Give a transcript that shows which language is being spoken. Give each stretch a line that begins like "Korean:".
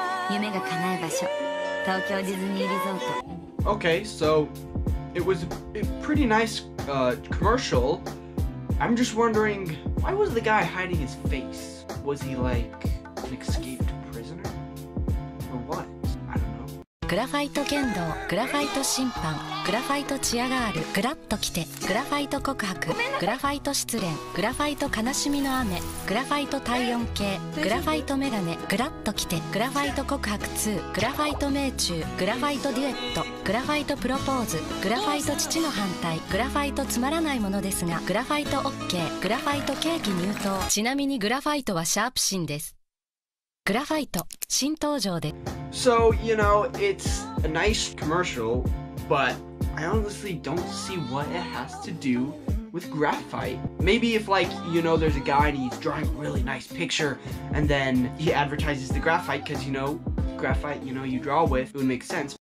Japanese: 夢が叶う場所、東京ディズニーリゾート。
English: Okay, so it was a pretty nice, commercial. I'm just wondering, why was the guy hiding his face? Was he like an escaped prisoner? Or what? I don't know.
Japanese: グラファイト剣道、グラファイト審判、グラファイトチアガール、グラッと来て、グラファイト告白、グラファイト失恋、グラファイト悲しみの雨、グラファイト体温計、グラファイトメガネ、グラッと来て、グラファイト告白2、グラファイト命中、グラファイトデュエット、グラファイトプロポーズ、グラファイト父の反対、グラファイトつまらないものですが、グラファイト OK、 グラファイト景気入刀。ちなみにグラファイトはシャープシンです。グラファイト新登場で。
English: So, you know, it's a nice commercial, but I honestly don't see what it has to do with graphite. Maybe if, like, you know, there's a guy and he's drawing a really nice picture and then he advertises the graphite, because, you know, graphite, you know, you draw with, it would make sense.